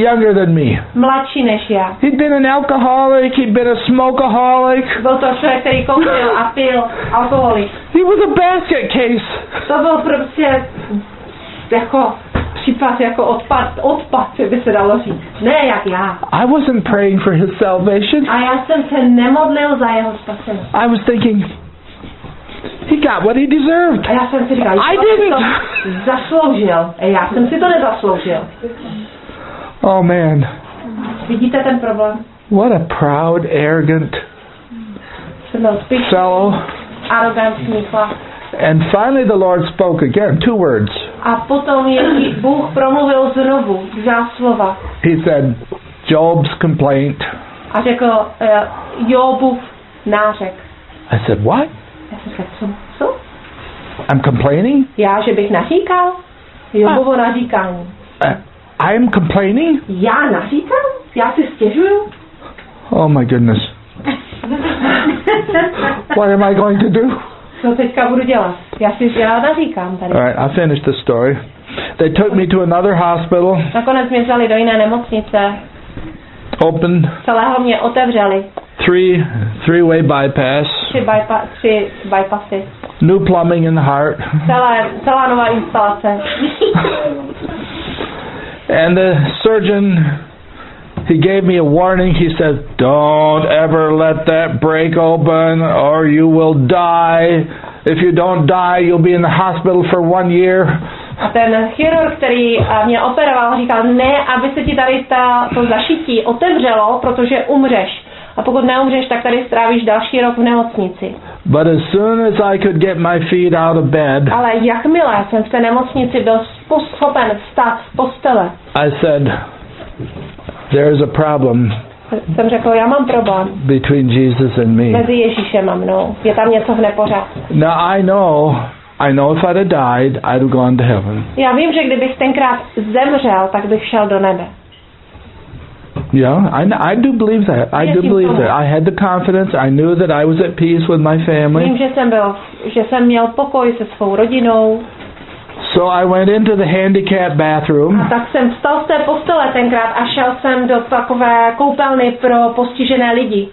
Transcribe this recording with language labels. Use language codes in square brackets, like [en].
[en] Younger than me. [cs] Mladší než já. [en] He'd been an alcoholic, he'd been a smokeaholic. [cs] Byl to člověk, který kouřil a pil alkoholik. [en] He was a basket case. [cs] To byl prostě jako případ jako odpad, by se dalo říct. Ne jak já. [en] I wasn't praying for his salvation. [cs] A já jsem se nemodlil za jeho spasení. [en] I was thinking, he got what he deserved. [cs] A já jsem si říkal, [en] I didn't. [cs] To zasloužil. A já jsem si to nezasloužil. [en] Oh man. [cs] Vidíte ten problém? [en] What a proud, arrogant fellow. [cs] Arrogantní chlap. [en] And finally the Lord spoke again, two words. [cs] A potom Bůh promluvil znovu dvě slova. [en] He said, Job's complaint. [cs] A řekl Jobův nářek. [en] I said, what? [cs] Co? [en] I'm complaining? [cs] Já, že bych naříkal. Jobovo naříkání. [en] I'm complaining? [cs] Já naříkám? Já si stěžuju? [en] Oh my goodness. What am I going to do? [cs] Co teďka budu dělat? Já naříkám tady. [en] All right, I finished the story. They took me to another hospital. [cs] Nakonec mě vzali do jiné nemocnice. [en] Opened. [cs] Celého mě otevřeli. [en] Three-way bypass. [cs] Tři bypassy. [en] New plumbing in the heart. [cs] Celá nová instalace. [en] And the surgeon, he gave me a warning. He said, don't ever let that break open or you will die. If you don't die, you'll be in the hospital for 1 year. [cs] A ten chirurg, který mě operoval, říkal, ne, aby se ti tady to zašití otevřelo, protože umřeš. A pokud neumřeš, tak tady strávíš další rok v nemocnici. [en] But as soon as I could get my feet out of bed, [cs] ale jakmile jsem v té nemocnici byl schopen vstát z postele, [en] I said, there is a problem. [cs] Jsem řekl, já mám problém. [en] Between Jesus and me. [cs] Mezi Ježíšem a mnou. Je tam něco v nepořádku. [en] Now I know if I'd have died, I'd have gone to heaven. [cs] Já vím, že kdybych tenkrát zemřel, tak bych šel do nebe. [en] Yeah, I do believe that. I do believe that. I had the confidence. I knew that I was at peace with my family. [cs] Vím, že jsem měl pokoj se svou rodinou. [en] So I went into the handicap bathroom. [cs] A tak jsem vstal z té postele tenkrát a šel jsem do takové koupelny pro postižené lidi.